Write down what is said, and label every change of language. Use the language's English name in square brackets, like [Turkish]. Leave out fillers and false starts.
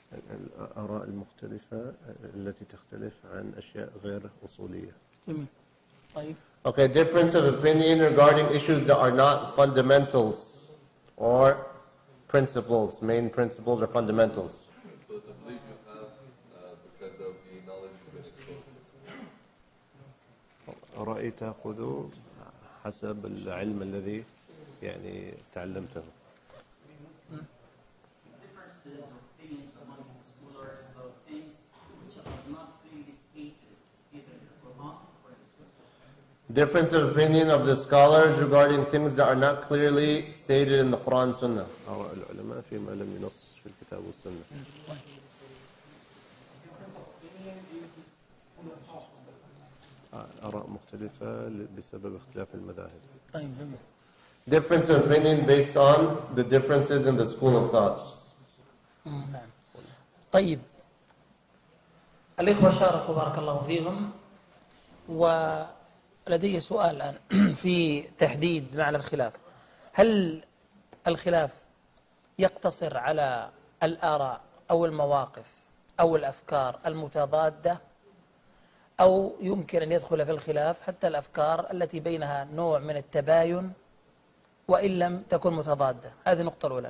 [Arabic] الآراء المختلفة التي تختلف عن أشياء غير أصولية. طيب. [English] Okay, difference of opinion regarding issues that are not fundamentals or principles, main principles or fundamentals. [Arabic] رأي تأخذه حسب العلم الذي يعني تعلمته. [English] Difference of opinion of the scholars regarding things that are not clearly stated in the Quran Sunnah. [Arabic] أراء العلماء فيما لم ينص في الكتاب والسنة. مختلفة بسبب اختلاف المذاهب. [English] Difference of opinion based on the differences in the school of thoughts. [Arabic] نعم. طيب. الإخوة شاركوا بارك الله فيهم. ولدي سؤال الآن في تحديد معنى الخلاف. هل الخلاف يقتصر على الآراء أو المواقف أو الأفكار المتضادة؟ أو يمكن أن يدخل في الخلاف حتى الأفكار التي بينها نوع من التباين وإن لم تكن متضادة؟ هذه نقطة الأولى.